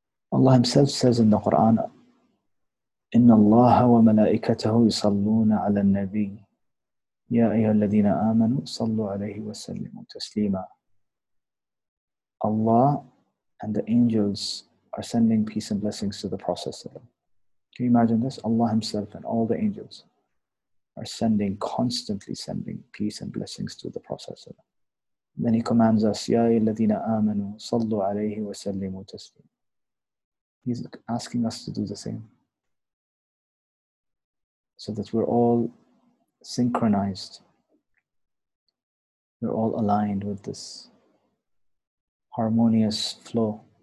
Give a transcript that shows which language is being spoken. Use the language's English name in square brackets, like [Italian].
[English] Allah himself says in the Quran, [Arabic] إن الله وملائكته يصلون على النبي يا أيها الذين آمنوا صلوا عليه وسلموا تسليما. [English] Allah and the angels are sending peace and blessings to the Prophet. Can you imagine this? Allah himself and all the angels are sending, constantly sending peace and blessings to the Prophet. Then he commands us, [Arabic] يا أيها الذين آمنوا صلوا عليه وسلموا تسليما. [English] He's asking us to do the same, so that we're all synchronized. We're all aligned with this harmonious flow.